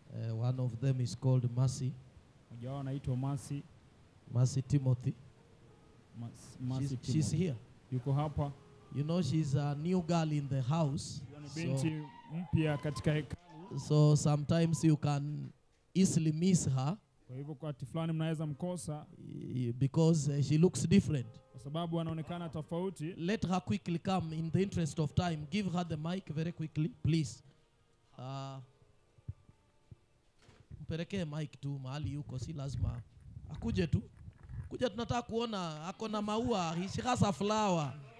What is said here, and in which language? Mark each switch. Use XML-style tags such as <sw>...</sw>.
<en>One of them is called Mercy.</en> <sw>Mmoja wao anaitwa Mercy.</sw> <en>Mercy Timothy. Mercy, she's here.</en> <sw>Yuko hapa.</sw> <en>You know, she's a new girl in the house.</en> <sw>Binti mpya katika hekalu.</sw> <en>So sometimes you can easily miss her.</en> <sw>Kwa hivyo kwa tiflani mnaweza mkosa.</sw> <en>Because she looks different.</en> <sw>Kwa sababu anaonekana tofauti.</sw> <en>Let her quickly come in the interest of time. Give her the mic very quickly, please.</en> <sw>Mpeleke mic tu mahali yuko, si lazima. Akuje tu. Kuja tunataka kuona, ako na maua,</sw> <en>she has a flower.</en>